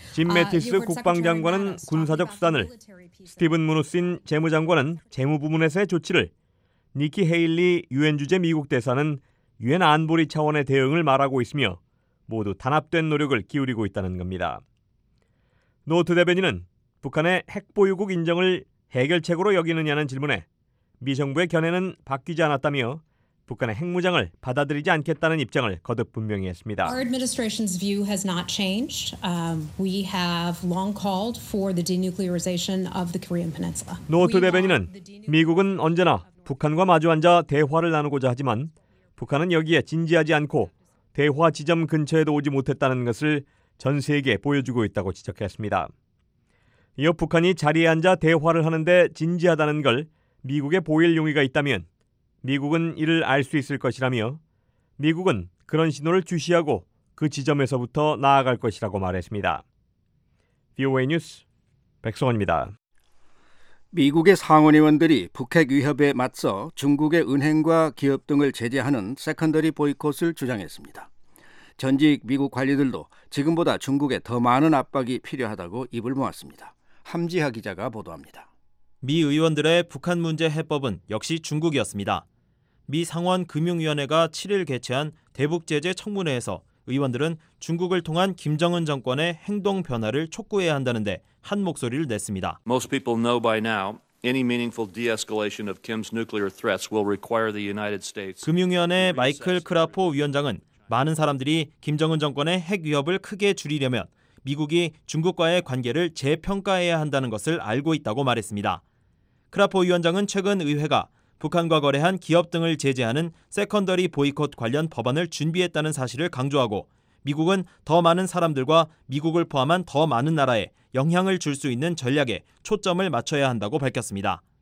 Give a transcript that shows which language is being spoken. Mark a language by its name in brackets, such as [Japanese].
[Korean] 짐 매티스 국방장관은 군사적 수단을, 스티븐 무누신 재무장관은 재무 부문에서의 조치를, 니키 헤일리 유엔 주재 미국 대사는 유엔 안보리 차원의 대응을 말하고 있으며 모두 단합된 노력을 기울이고 있다는 겁니다. 노트 대변인은 북한의 핵 보유국 인정을 해결책으로 여기느냐는 질문에 미 정부의 견해는 바뀌지 않았다며 북한의 핵무장을 받아들이지 않겠다는 입장을 거듭 분명히 했습니다. [English] Our administration's view has not changed. We have long called for the denuclearization of the Korean Peninsula. [Korean] 노트 대변인은 미국은 언제나 북한과 마주앉아 대화를 나누고자 하지만 북한은 여기에 진지하지 않고 대화 지점 근처에도 오지 못했다는 것을 전 세계에 보여주고 있다고 지적했습니다. 이어 북한이 자리에 앉아 대화를 하는데 진지하다는 걸 미국에 보일 용의가 있다면 미국은 이를 알 수 있을 것이라며 미국은 그런 신호를 주시하고 그 지점에서부터 나아갈 것이라고 말했습니다. VOA 뉴스 백성원입니다. 미국의 상원의원들이 북핵 위협에 맞서 중국의 은행과 기업 등을 제재하는 세컨더리 보이콧을 주장했습니다. 전직 미국 관리들도 지금보다 중국에 더 많은 압박이 필요하다고 입을 모았습니다. 함지하 기자가 보도합니다. 미 의원들의 북한 문제 해법은 역시 중국이었습니다. 미 상원 금융위원회가 7일 개최한 대북 제재 청문회에서 의원들은 중국을 통한 김정은 정권의 행동 변화를 촉구해야 한다는데 한 목소리를 냈습니다. [English] Most people know by now any meaningful de-escalation of Kim's nuclear threats will require the United States. [Korean] 금융위원회 마이클 크라포 위원장은 많은 사람들이 김정은 정권의 핵 위협을 크게 줄이려면 미국이 중국과의 관계를 재평가해야 한다는 것을 알고 있다고 말했습니다. 크라포 위원장은 최근 의회가 북한과 거래한 기업 등을 제재하는 세컨더리 보이콧 관련 법안을 준비했다는 사실을 강조하고 미국은 더 많은 사람들과 미국을 포함한 더 많은 나라에 영향을 줄 수 있는 전략에 초점을 맞춰야 한다고 밝혔습니다.